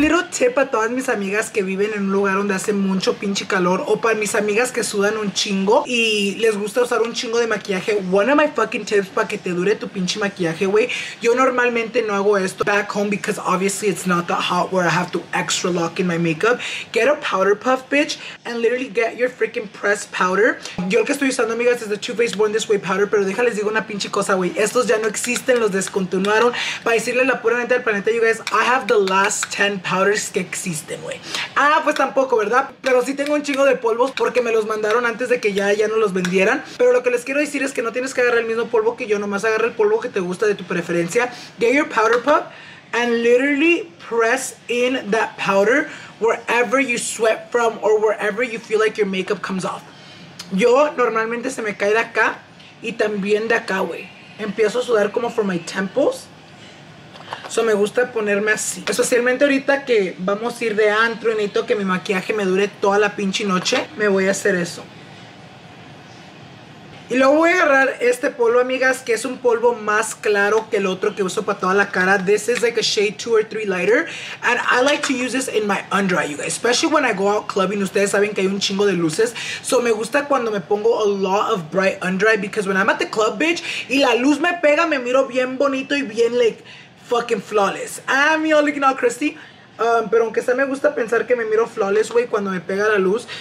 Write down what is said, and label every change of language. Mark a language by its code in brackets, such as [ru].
[es] Sepa todas mis amigas que viven en un lugar donde hace mucho pinche calor, o para mis amigas que sudan un chingo y les gusta usar un chingo de maquillaje, [en] one of my fucking tips [es] para que te dure tu pinche maquillaje, güey. Yo normalmente no hago esto [en] back home because obviously it's not that hot where I have to extra lock in my makeup. Get a powder puff, bitch, and literally get your freaking pressed powder. [es] Yo lo que estoy usando, amigas, es the Too Faced Born This Way powder, pero déjales digo una pinche cosa, güey. Estos ya no existen, los descontinuaron. Para decirles la pura neta del planeta, you guys, [en] I have the last 10 powders [es] que existen, güey. Ah, pues tampoco, ¿verdad? Pero sí tengo un chingo de polvos porque me los mandaron antes de que ya no los vendieran. Pero lo que les quiero decir es que no tienes que agarrar el mismo polvo que yo, nomás agarra el polvo que te gusta de tu preferencia. [en] Get your powder puff and literally press in that powder wherever you sweat from or wherever you feel like your makeup comes off. [es] Yo normalmente se me cae de acá y también de acá, güey. Empiezo a sudar como [en] from my temples. [es] So, me gusta ponerme así. Especialmente ahorita que vamos a ir de antro y necesito que mi maquillaje me dure toda la pinche noche, me voy a hacer eso. Y luego voy a agarrar este polvo, amigas, que es un polvo más claro que el otro que uso para toda la cara. [en] This is like a shade 2 or 3 lighter. And I like to use this in my under eye, you guys. Especially when I go out clubbing. [es] Ustedes saben que hay un chingo de luces. [en] So, [es] me gusta cuando me pongo [en] a lot of bright under eye. Because when I'm at the club, bitch, [es] y la luz me pega, me miro bien bonito y bien, [en] like, fucking flawless. I'm y'all looking all crusty. [es] Pero aunque sea, me gusta pensar que me miro flawless, güey, cuando me pega la luz.